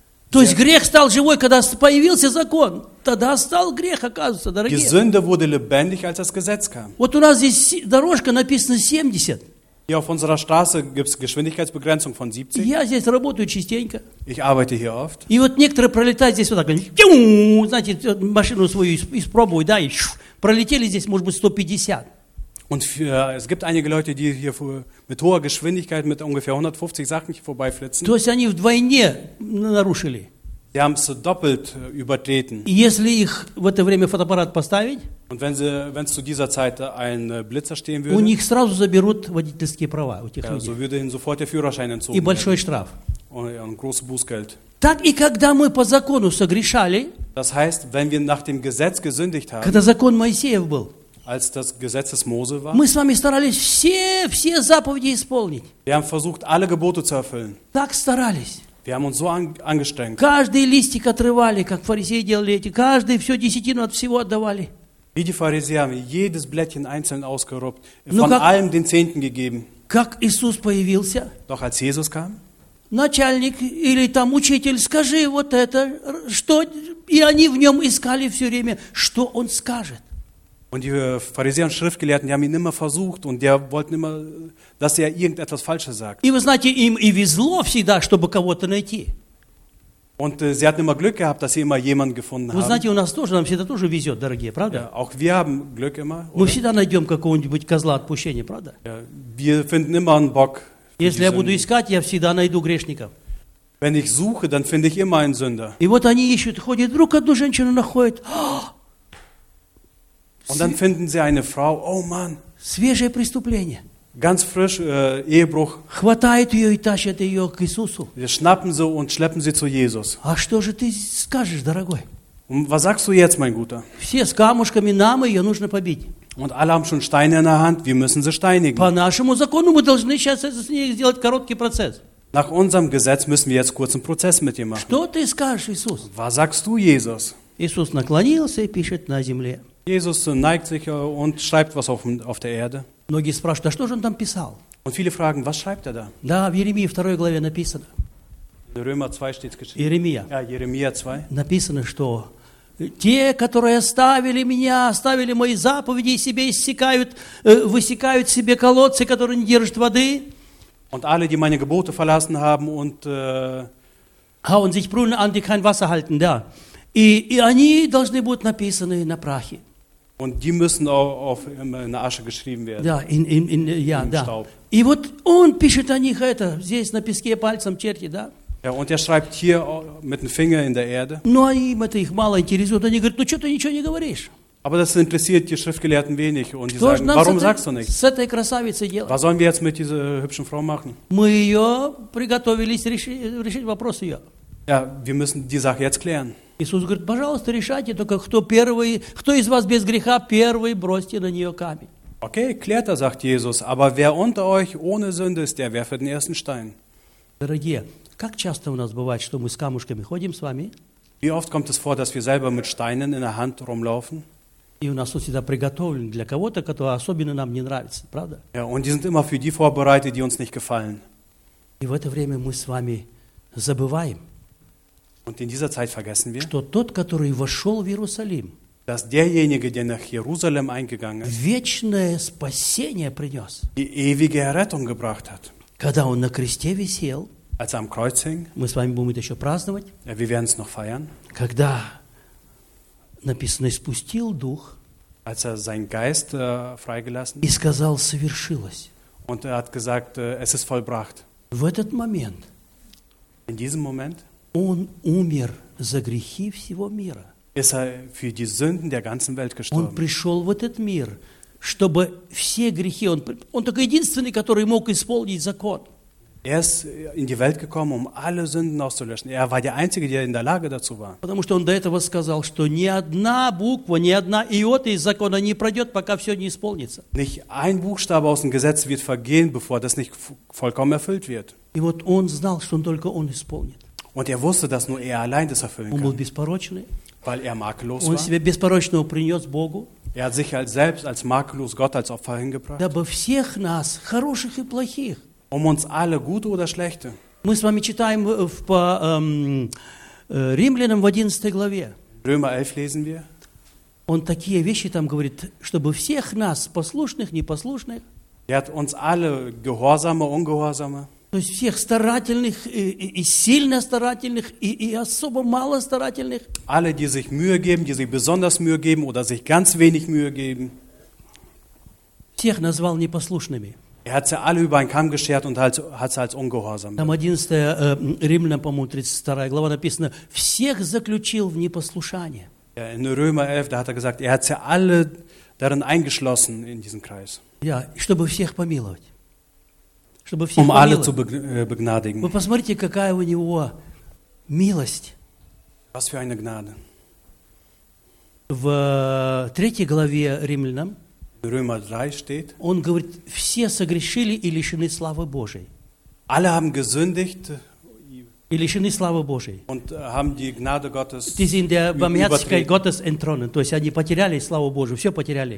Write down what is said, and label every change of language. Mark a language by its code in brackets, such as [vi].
[ru] То есть грех стал живой, когда появился закон. Тогда стал грех, оказывается, дорогие. [de] Die Sünde wurde lebendig, als das Gesetz kam. [ru] Вот у нас здесь дорожка написана 70. [de] Hier auf unserer Straße gibt es Geschwindigkeitsbegrenzung von 70. [ru] Я здесь работаю частенько. [de] Ich arbeite hier oft. [ru] И вот некоторые пролетают здесь вот так, знаете, машину свою испробуют, да, и пролетели здесь, может быть, 150. [de] Und es gibt einige Leute, die hier mit hoher Geschwindigkeit mit ungefähr 150 Sachen vorbeiflitzen. [ru] То есть они вдвойне нарушили. [de] Sie haben es doppelt übertreten. [ru] Если их в это время фотоаппарат поставить, [de] und wenn sie, wenn es zu dieser Zeit ein Blitzer stehen würde, [ru] у них сразу заберут водительские права у этих [de] ja, [ru] людей. [de] So würde ihnen sofort der Führerschein entzogen werden. [ru] И большой [de] werden. [ru] Штраф. [de] Und großes Bußgeld. [ru] Так и когда мы по закону согрешали, [de] das heißt, wenn wir nach dem Gesetz gesündigt haben, [ru] когда закон Моисеев был, [de] als das Gesetz des Mose war, [ru] мы с вами старались все, все заповеди исполнить. [de] Wir haben versucht, alle Gebote zu erfüllen. [ru] Так старались. [de] Wir haben uns so angestrengt. [ru] Каждый листик отрывали, как фарисеи делали эти. Каждый все десятину от всего отдавали. [de] Wie die Pharisäer, jedes Blättchen einzeln ausgerubbt, von [ru] как, [de] allem den Zehnten gegeben. [ru] Как Иисус появился? [de] Doch als Jesus kam. [ru] Начальник или там учитель, скажи вот это, что... И они в нем искали все время, что он скажет. [de] Und die Pharisäer und Schriftgelehrten, die haben ihn immer versucht und die wollten immer, dass er irgendetwas Falsches sagt. [ru] И вы знаете, им и везло всегда, чтобы кого-то найти. [de] Und sie hatten immer Glück gehabt, dass sie immer jemanden gefunden haben. [ru] Вы знаете, у нас тоже, нам всегда тоже везет, дорогие, правда? [de] Ja, auch wir haben Glück immer. [ru] Мы [de] oder? [ru] Всегда найдем какого-нибудь козла отпущения, правда? [de] Ja, wir finden immer einen Bock. [ru] Если я буду искать, я всегда найду грешников. [de] Wenn ich suche, dann finde ich immer einen Sünder. [ru] И вот они ищут, ходят, вдруг одну женщину находят. [de] Und dann finden sie eine Frau. Oh Mann. [ru] Свежее преступление. [de] Ganz frisch, Ehebruch. [ru] Хватают ее и тащат ее к Иисусу. [de] Sie schnappen sie und schleppen sie zu Jesus. [ru] А что же ты скажешь, дорогой? [de] Und was sagst du jetzt, mein Guter? [ru] Все с камушками, нам ее нужно побить. [de] Und alle haben schon Steine in der Hand, wir müssen sie steinigen. [ru] По нашему закону мы должны сейчас с ней сделать короткий процесс. [de] Nach unserem Gesetz müssen wir jetzt kurzen Prozess mit ihr machen. [ru] Что ты скажешь, Иисус? [de] Was sagst du, Jesus? [ru] Иисус наклонился и пишет на земле. [de] Jesus neigt sich und schreibt was auf der Erde. [ru] Многие спрашивают, а что же он там писал? [de] Und viele fragen, was schreibt er da? [ru] Да, в Иеремии 2 главе написано. [de] In Römer 2 steht es geschrieben. [ru] Иеремия. [de] Ja, Jeremia 2. [ru] Написано, что Те, которые оставили меня, оставили мои заповеди и себе иссякают, высекают себе колодцы, которые не держат воды. [de] Und alle, die meine Gebote verlassen haben und hauen sich Brunnen an, die kein Wasser halten, da. [ru] И они должны будут написаны на прахе. [de] Und die müssen auf in Asche geschrieben werden. [ru] Да, [de] in ja, [ru] да. И вот он пишет о них это, здесь на песке пальцем черти, да? [de] Ja, und er schreibt hier mit dem Finger in der Erde. [ru] Ну, а им это их мало интересует. Они говорят, ну что ты ничего не говоришь? [de] Aber das interessiert die Schriftgelehrten wenig. Und die sagen, warum sagst du nichts? Was sollen wir jetzt mit dieser hübschen Frau machen? Ja, wir müssen die Sache jetzt klären. [ru] Иисус говорит, пожалуйста, решайте, только кто первый, кто из вас без греха, первый бросьте на нее камень. [de] Okay, klärt er, sagt Jesus, aber wer unter euch ohne Sünde ist, der werfe den ersten Stein. [ru] Дорогие, как часто у нас бывает, что мы с камушками ходим с вами? [de] Wie oft kommt es vor, dass wir selber mit Steinen in der Hand rumlaufen? [ru] И у нас он всегда приготовлен для кого-то, кто особенно нам не нравится, правда? [de] Ja, und die sind immer für die vorbereitet, die uns nicht gefallen. [ru] И в это время мы с вами забываем. [de] Und in dieser Zeit vergessen wir, [ru] что тот, который вошел в Иерусалим, [de] dass derjenige, der nach Jerusalem eingegangen ist, [ru] вечное спасение принес, [de] die ewige Errettung gebracht hat, [ru] когда он на кресте висел, [de] als er am Kreuz hing, [ru] мы с вами будем это еще праздновать, [de] ja, wir werden es noch feiern, [ru] когда написано, испустил дух, [de] als er seinen Geist freigelassen, [ru] и сказал, совершилось. [de] Und er hat gesagt, es ist vollbracht. [ru] В этот момент, [de] in diesem Moment, [ru] он умер за грехи всего мира. [de] Ist er für die Sünden der ganzen Welt gestorben. [ru] Он пришел в этот мир, чтобы все грехи, он только единственный, который мог исполнить закон. [de] Er ist in die Welt gekommen, um alle Sünden auszulöschen. Er war der Einzige, der in der Lage dazu war. [ru] Потому что он до этого сказал, что ни одна буква, ни одна иота из закона не пройдет, пока все не исполнится. [de] Nicht ein Buchstabe aus dem Gesetz wird vergehen, bevor das nicht vollkommen erfüllt wird. [ru] И вот он знал, что только он исполнит. [de] Und er wusste, dass nur er allein das erfüllen kann. [ru] Он был беспорочный. [de] Weil er makellos [ru] war. Он себя беспорочного принес Богу. [de] Er hat sich als selbst, als makellos Gott als Opfer hingebracht. [ru] Дабы всех нас, хороших и плохих, [de] um uns alle, gute oder schlechte. [ru] Мы с вами читаем по Римлянам в 11 главе. [de] Römer 11 lesen wir. [ru] Он такие вещи там говорит, чтобы всех нас, послушных, непослушных, [de] er hat uns alle, gehorsame, ungehorsame, [ru] то есть всех старательных и сильно старательных и особо мало старательных, [de] alle, die sich Mühe geben, die sich besonders Mühe geben oder sich ganz wenig Mühe geben, [ru] всех назвал непослушными. [de] Er hat sie alle über einen Kamm geschert und hat sie als ungehorsam. [ru] Там 11 Римлянам, по-моему, 32 глава написано, всех заключил в непослушание. [de] Ja, in Römer 11, da hat er gesagt, er hat sie alle darin eingeschlossen in diesen Kreis. [ru] Ja, чтобы всех помиловать. Чтобы всех помиловать. [de] Alle zu begnadigen. [ru] Вы посмотрите, какая у него милость. [de] Was für eine Gnade. [ru] В 3 главе Римлянам, [de] Römer 3 steht, [ru] он говорит, все согрешили и лишены славы Божией. [de] Alle haben gesündigt [ru] и лишены славы Божией. [de] Und haben die Gnade Gottes, die sind der Barmherzigkeit Gottes entronnen. [ru] То есть они потеряли славу Божию, все потеряли.